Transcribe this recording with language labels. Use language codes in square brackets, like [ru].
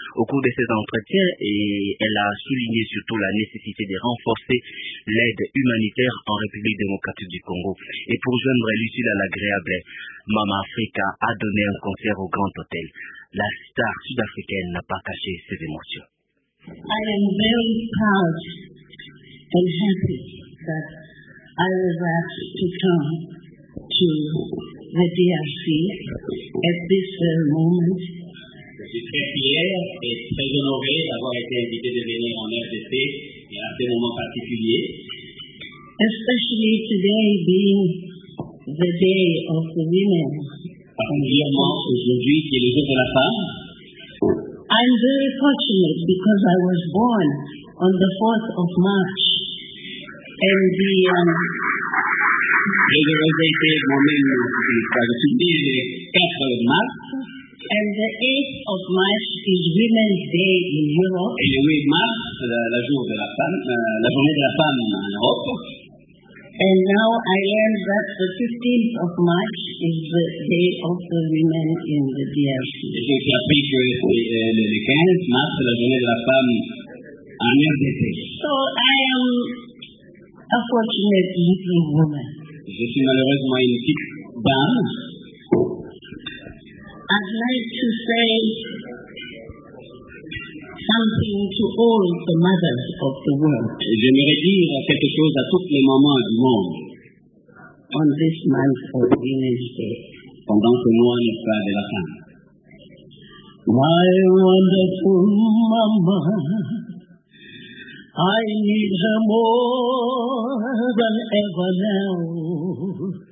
[fr] Au cours de ses entretiens, et elle a souligné surtout la nécessité de renforcer l'aide humanitaire en République démocratique du Congo. Et pour joindre l'utile à l'agréable, Mama Africa a donné un concert au Grand Hôtel. La star sud-africaine n'a pas caché ses émotions. [en] I am very proud and happy that I was asked to come to the DRC at this very moment. [fr] Je suis très fier et très honoré d'avoir été invité de venir en RDC et à ce moment particulier. [en] Especially today being the day of the women. [fr] Particulièrement aujourd'hui qui est le jour de la femme. [en] I'm very fortunate because I was born on the 4th of March and the [fr] Je suis été moi-même le 4 mars. [en] And the 8th of March is Women's Day in Europe. [fr] Et le 8 mars, la journée de la femme, la journée de la femme en Europe. [en] And now I learned that the 15th of March is the day of the women in the DRC. [fr] Et j'ai appris que le 15 mars, c'est la journée de la femme en RDC. [en] So I am a fortunate little woman. [fr] Je suis malheureusement une petite dame. [en] I'd like to say something to all the mothers of the world. [fr] J'aimerais dire quelque chose à toutes les mamans du monde. [en] On this month of Women's Day. [fr] Pendant ce mois de la de la femme. [en] My wonderful mama, I need her more than ever now.